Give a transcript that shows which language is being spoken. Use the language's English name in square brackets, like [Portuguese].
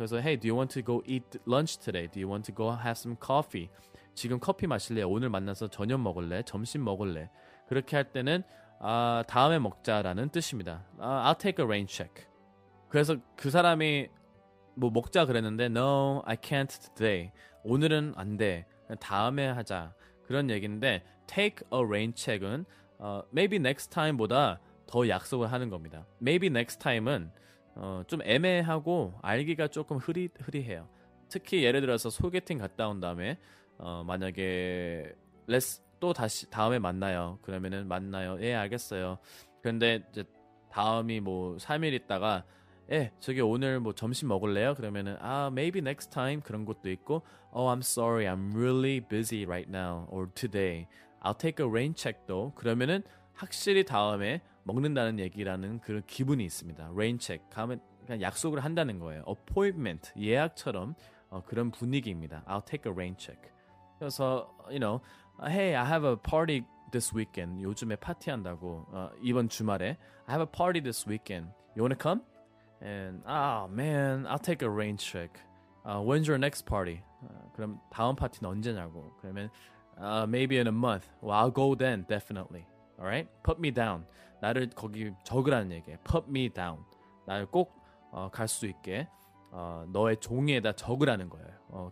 [English] 그래서 Hey, do you want to go eat lunch today? Do you want to go have some coffee? [Korean] 지금 커피 마실래? 오늘 만나서 저녁 먹을래? 점심 먹을래? 그렇게 할 때는 다음에 먹자라는 뜻입니다. [English] I'll take a rain check. [Korean] 그래서 그 사람이 뭐 먹자 그랬는데 [English] No, I can't today. [Korean] 오늘은 안 돼. 다음에 하자. 그런 얘기인데 [English] take a rain check [Korean] 은 [English] maybe next time [Korean] 보다 더 약속을 하는 겁니다. [English] Maybe next time [Korean] 은 좀 애매하고 알기가 조금 흐리해요. 특히 예를 들어서 소개팅 갔다 온 다음에 만약에 또 다시 다음에 만나요. 그러면은 만나요. 예, 알겠어요. 그런데 이제 다음이 뭐 3일 있다가 예, 저기 오늘 뭐 점심 먹을래요? [English] 그러면은 maybe next time [Korean] 그런 것도 있고 [English] Oh, I'm sorry. I'm really busy right now or today. I'll take a rain check though. [Korean] 그러면은 확실히 다음에 먹는다는 얘기라는 그런 기분이 있습니다. [English] Rain check. [Korean] 그냥 약속을 한다는 거예요. [English] Appointment. [Korean] 예약처럼 그런 분위기입니다. [English] I'll take a rain check. 그래서, you know, Hey, I have a party this weekend. [Korean] 요즘에 파티한다고. 이번 주말에. [English] I have a party this weekend. You wanna come? And, oh man, I'll take a rain check. When's your next party? [Korean] 그럼 다음 파티는 언제냐고. [English] 그러면, maybe in a month. Well, I'll go then, definitely. Alright? Put me down. [Korean] 나를 거기 적으라는 얘기예요. [English] Put me down. [Korean] 나를 꼭 갈 수 있게 너의 종이에다 적으라는 거예요.